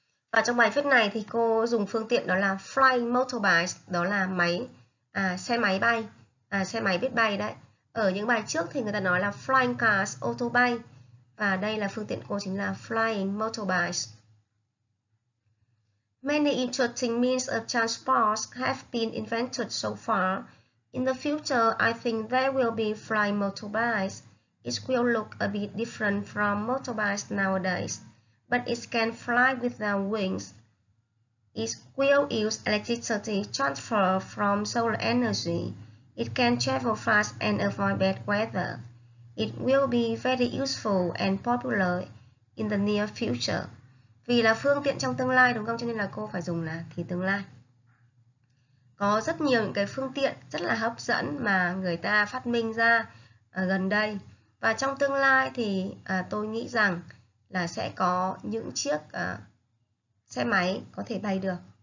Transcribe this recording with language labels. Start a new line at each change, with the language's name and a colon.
Vietnamese: Và trong bài viết này thì cô dùng phương tiện đó là flying motorbike, đó là máy xe máy bay, xe máy biết bay đấy. Ở những bài trước thì người ta nói là flying cars, ô tô bay. Và đây là phương tiện cô chính là flying motorbike.
English: Many interesting means of transport have been invented so far. In the future, I think there will be flying motorbikes. It will look a bit different from motorbikes nowadays, but it can fly without wings. It will use electricity transfer from solar energy. It can travel fast and avoid bad weather. It will be very useful and popular in the near future.
Vietnamese: Vì là phương tiện trong tương lai đúng không? Cho nên là cô phải dùng là thì tương lai. Có rất nhiều những cái phương tiện rất là hấp dẫn mà người ta phát minh ra gần đây. Và trong tương lai thì tôi nghĩ rằng là sẽ có những chiếc xe máy có thể bay được.